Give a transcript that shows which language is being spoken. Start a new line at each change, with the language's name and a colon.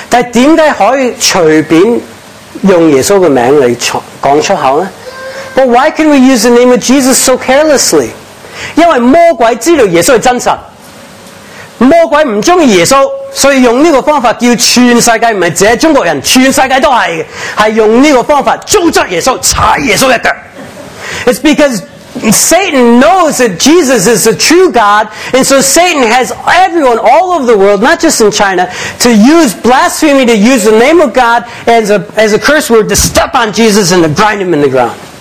English: But why can't you just use Jesus' name to talk out loud? But why can we use the name of Jesus so carelessly? Because the devil knows Jesus is real.
Chinese: 魔鬼不喜欢耶稣，所以用这个方法叫全世界，不是只是中国人，全世界都是，是用这个方法诅咒耶稣，踩耶稣一脚。
English: It's because Satan knows that Jesus is the true God, and so Satan has everyone all over the world, not just in China, to use blasphemy, to use the name of God as a curse word to step on Jesus and to grind him in the ground.